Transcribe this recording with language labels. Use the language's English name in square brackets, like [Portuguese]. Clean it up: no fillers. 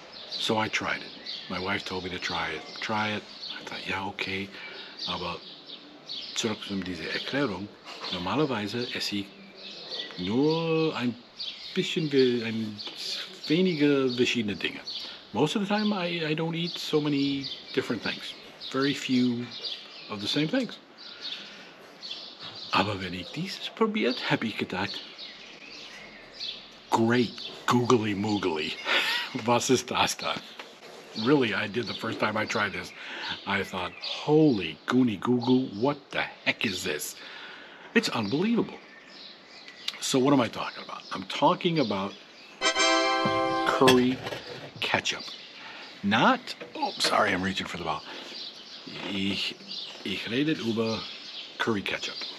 [English] So I tried it. My wife told me to try it. I thought, ja, okay. [German] Aber zurück zu dieser Erklärung, normalerweise esse ich nur ein bisschen, ein wenige verschiedene Dinge. [English] Most of the time, I don't eat so many different things. Very few of the same things. [German] Aber wenn ich dieses probiert, habe ich gedacht, [English] great googly moogly, [German] was ist das da? [English] Really, I did the first time I tried this. I thought, holy goony googoo, what the heck is this? It's unbelievable. So what am I talking about? I'm talking about curry ketchup. I'm reaching for the ball. [German] Ich rede über curry ketchup.